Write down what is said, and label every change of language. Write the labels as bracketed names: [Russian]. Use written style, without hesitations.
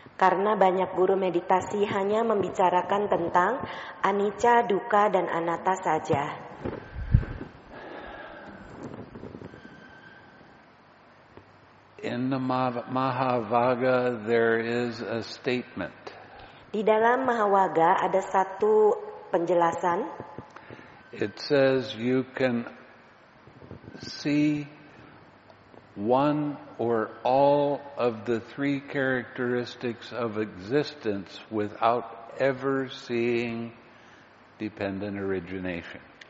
[Indonesian] Karena banyak guru meditasi hanya membicarakan tentang anicca dukkha dan anatta saja. [English] In the Mahavagga there is a statement. [Indonesian] Di dalam Mahavagga ada satu penjelasan. [English] It says you can see one or all of the three characteristics of existence without ever seeing dependent origination.